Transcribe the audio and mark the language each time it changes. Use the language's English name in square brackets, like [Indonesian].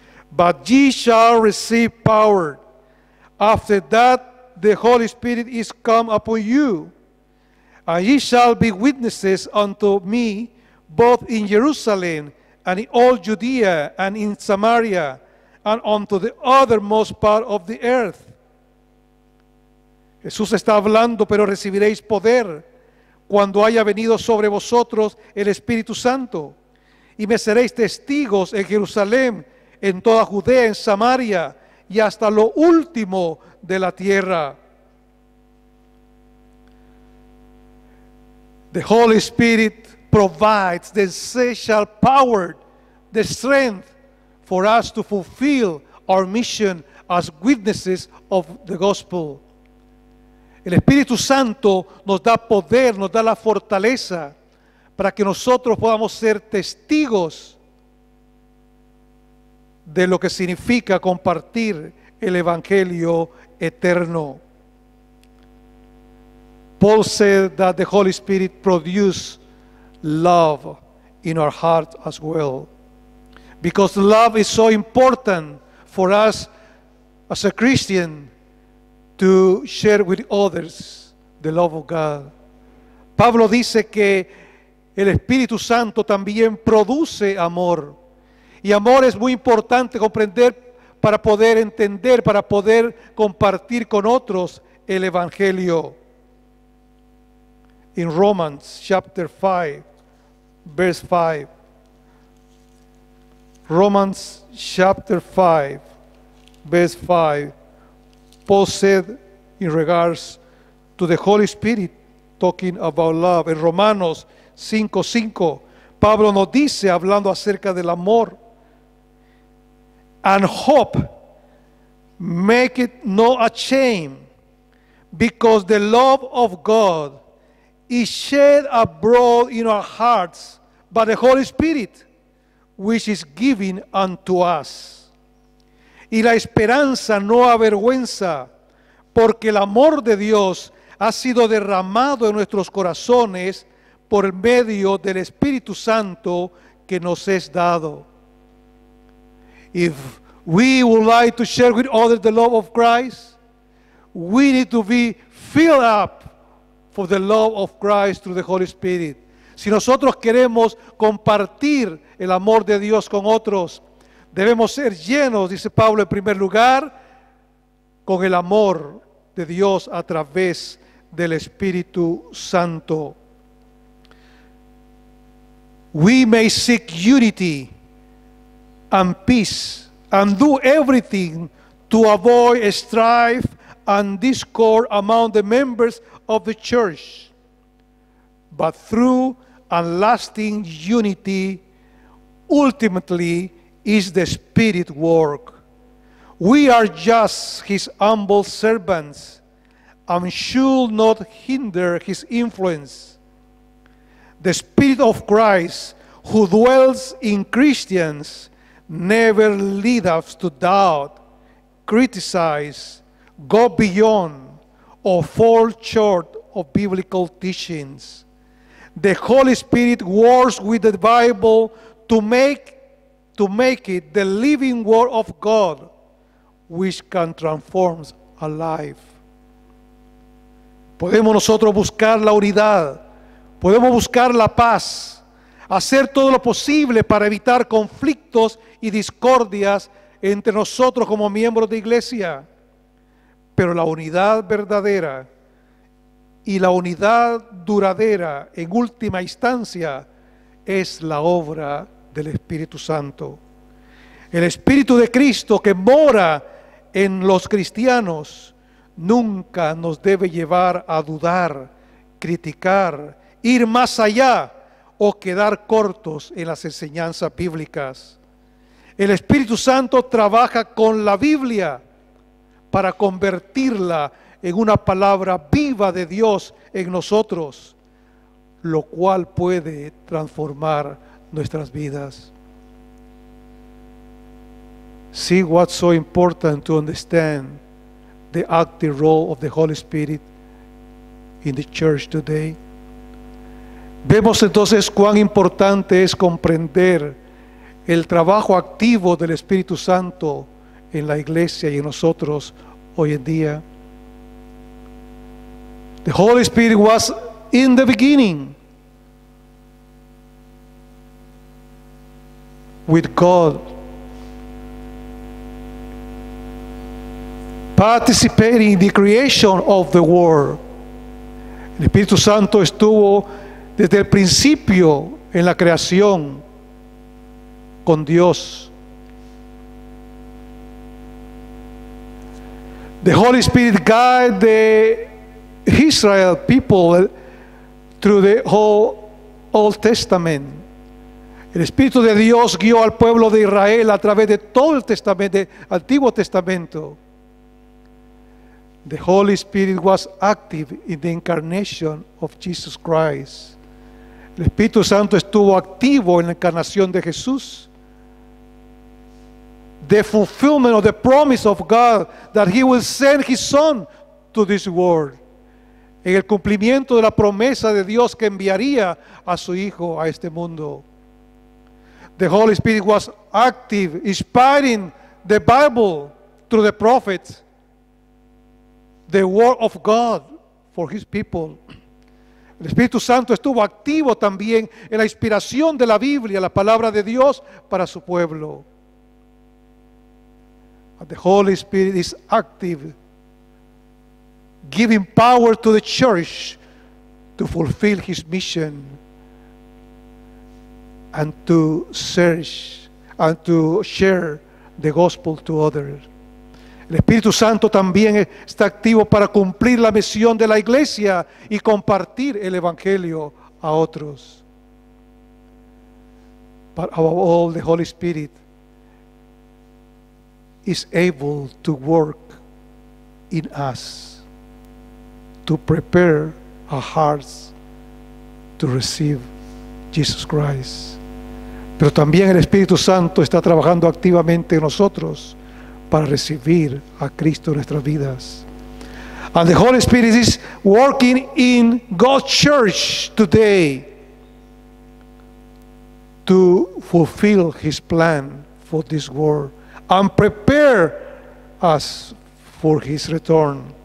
[English] But ye shall receive power after that the Holy Spirit is come upon you, and ye shall be witnesses unto me both in Jerusalem and in all Judea and in Samaria and unto the othermost part of the earth. [Spanish] Jesús está hablando, pero recibiréis poder cuando haya venido sobre vosotros el Espíritu Santo, y me seréis testigos en Jerusalén, en toda Judea, en Samaria y hasta lo último de la tierra. [English] The Holy Spirit provides the essential power, the strength for us to fulfill our mission as witnesses of the gospel. [Spanish] El Espíritu Santo nos da poder, nos da la fortaleza para que nosotros podamos ser testigos de lo que significa compartir el Evangelio eterno. [English] Paul said that the Holy Spirit produced love in our heart as well. Because love is so important for us as a Christian to share with others the love of God. [Spanish] Pablo dice que el Espíritu Santo también produce amor. Y amor es muy importante comprender para poder entender, para poder compartir con otros el Evangelio. [English] In Romans chapter 5:5. Romans chapter 5:5. Paul said in regards to the Holy Spirit talking about love. [Spanish] En Romanos 5:5, Pablo nos dice, hablando acerca del amor, [English] and hope make it no ashamed, because the love of God is shed abroad in our hearts by the Holy Spirit, which is given unto us. [Spanish] Y la esperanza no avergüenza, porque el amor de Dios ha sido derramado en nuestros corazones por medio del Espíritu Santo que nos es dado. [English] If we would like to share with others the love of Christ, we need to be filled up for the love of Christ through the Holy Spirit. [Spanish] Si nosotros queremos compartir el amor de Dios con otros, debemos ser llenos, dice Pablo, en primer lugar, con el amor de Dios a través del Espíritu Santo. [English] We may seek unity and peace and do everything to avoid strife and discord among the members of the church. But through and lasting unity, ultimately, is the Spirit work. We are just His humble servants and should not hinder His influence. The Spirit of Christ, who dwells in Christians, never leads us to doubt, criticize, go beyond, or fall short of biblical teachings. The Holy Spirit works with the Bible to make it the living Word of God, which can transform a life. [Spanish] Podemos nosotros buscar la unidad, podemos buscar la paz, hacer todo lo posible para evitar conflictos y discordias entre nosotros como miembros de iglesia. Pero la unidad verdadera y la unidad duradera, en última instancia, es la obra del Espíritu Santo. El Espíritu de Cristo que mora en los cristianos nunca nos debe llevar a dudar, criticar, ir más allá o quedar cortos en las enseñanzas bíblicas. El Espíritu Santo trabaja con la Biblia para convertirla en una palabra viva de Dios en nosotros, lo cual puede transformar nuestras vidas. [English] See what's so important to understand the active role of the Holy Spirit in the church today. [Spanish] Vemos entonces cuán importante es comprender el trabajo activo del Espíritu Santo en la iglesia y en nosotros hoy en día. [English] The Holy Spirit was in the beginning with God, participating in the creation of the world. [Spanish] El Espíritu Santo estuvo desde el principio en la creación con Dios. [English] The Holy Spirit guided the Israel people through the whole Old Testament. [Spanish] El Espíritu de Dios guió al pueblo de Israel a través de todo el Testamento, el Antiguo Testamento. [English] The Holy Spirit was active in the incarnation of Jesus Christ. [Spanish] El Espíritu Santo estuvo activo en la encarnación de Jesús. [English] The fulfillment of the promise of God that He will send His Son to this world. [Spanish] En el cumplimiento de la promesa de Dios que enviaría a su Hijo a este mundo. [English] The Holy Spirit was active, inspiring the Bible through the prophets. The word of God for His people. [Spanish] El Espíritu Santo estuvo activo también en la inspiración de la Biblia, la palabra de Dios para su pueblo. [English] And the Holy Spirit is active, giving power to the church to fulfill His mission and to search and to share the gospel to others. [Spanish] El Espíritu Santo también está activo para cumplir la misión de la iglesia y compartir el Evangelio a otros. [English] But above all, the Holy Spirit is able to work in us to prepare our hearts to receive Jesus Christ. [Spanish] Pero también el Espíritu Santo está trabajando activamente en nosotros para recibir a Cristo en nuestras vidas. [English] And the Holy Spirit is working in God's church today to fulfill His plan for this world and prepare us for His return.